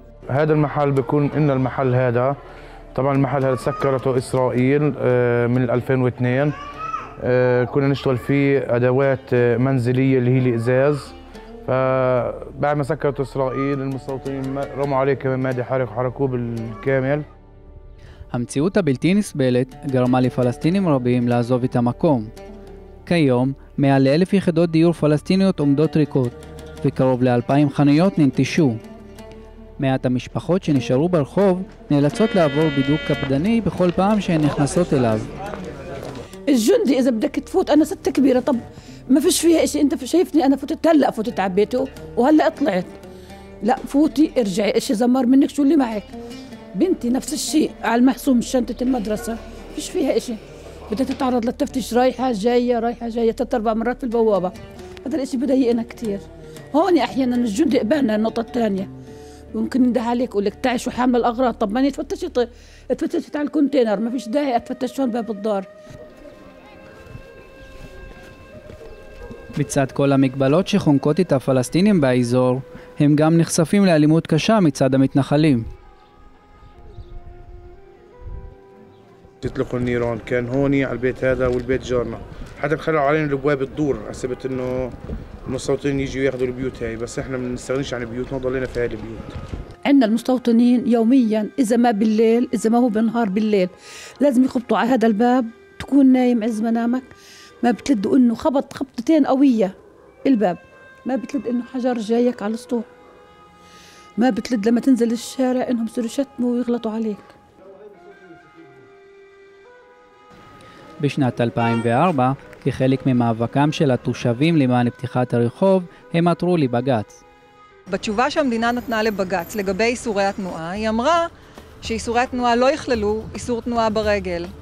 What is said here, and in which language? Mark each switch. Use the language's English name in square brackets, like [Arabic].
[Arabic] هذا المحل بيكون ان المحل هذا طبعا المحل هذا سكرته اسرائيل من 2002 كنا نشتغل فيه ادوات منزليه اللي هي الازاز فبعد ما سكرته اسرائيل المستوطنين رموا عليه كمان مادي حرق وحرقوه بالكامل [Hebrew] המציאות הבלתי נסבלת גרמה לפלסטינים רבים לעזוב את המקום כיום מעל 1,000 יחידות דיור פלסטיניות עומדות ריקות וקרוב ל-2,000 חנויות ננטשו מעט המשפחות שנשארו ברחוב נאלצות לעבור בידוק קפדני בכל פעם שהן נכנסות אליו. [Arabic] الجندي اذا بدك تفوت انا ست كبيره طب ما فيش فيها شيء انت شايفني انا فوتت هلا فوتت على بيته وهلا طلعت لا فوتي ارجعي ايش زمر منك شو اللي معك بنتي نفس الشيء على المحصوم شنطه المدرسه فيش فيها شيء بدها تتعرض للتفتيش رايحه جايه رايحه جايه ثلاث اربع مرات في البوابه هذا الشيء بضايقنا كثير هون احيانا الجندي قبلنا النقطه الثانيه ممكن ندها عليك قولك تعيش وحامل الأغراض طب ماني تفتشت تفتشت على الكونتينر ما فيش داعي أتفتشون باب الدار [Hebrew] מצד כל המגבלות שחונקות את הפלסטינים באזור הם גם נחשפים לאלימות קשה מצד המתנחלים [Arabic] تطلقوا النيران كان هوني على البيت هذا والبيت جارنا حتى بخلوا علينا الابواب تدور حسبت انه المستوطنين يجوا ياخذوا البيوت هاي، بس احنا ما بنستغنيش عن البيوت، نضلنا في هاي البيوت. عندنا المستوطنين يوميا اذا ما بالليل اذا ما هو بالنهار بالليل لازم يخبطوا على هذا الباب، تكون نايم عز منامك ما بتلد، انه خبط خبطتين قويه الباب ما بتلد، انه حجر جايك على السطوح ما بتلد، لما تنزل الشارع انهم بصيروا يشتموا ويغلطوا عليك. [Hebrew] בשנת 2004, כחלק ממאבקם של התושבים למען פתיחת הרחוב, הם עתרו לבג"ץ. בתשובה שהמדינה נתנה לבג"ץ לגבי איסורי התנועה, היא אמרה שאיסורי התנועה לא יכללו איסור תנועה ברגל.